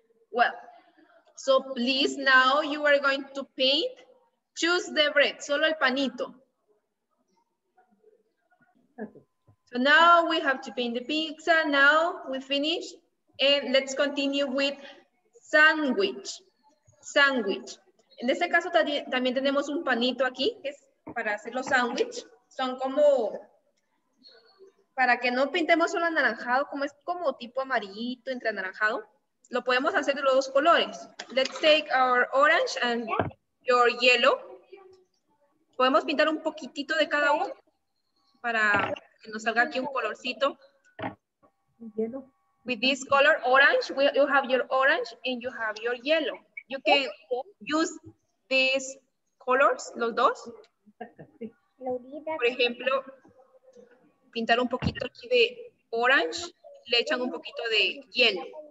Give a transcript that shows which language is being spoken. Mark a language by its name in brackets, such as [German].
[English] Well, so please now you are going to paint. Choose the bread, [Spanish] solo el panito. [English] Okay. So now we have to paint the pizza. Now we finish and let's continue with sandwich. Sandwich. [Spanish] En este caso también tenemos un panito aquí que es para hacer los sandwich. Son como, para que no pintemos solo anaranjado, como es como tipo amarillito entre anaranjado. Lo podemos hacer de los dos colores. [English] Let's take our orange and your yellow. [Spanish] Podemos pintar un poquitito de cada uno para que nos salga aquí un colorcito. [English] Yellow. With this color, orange, you have your orange and you have your yellow. You can use these colors, [Spanish] los dos. Por ejemplo, pintar un poquito aquí de orange, le echan un poquito de yellow.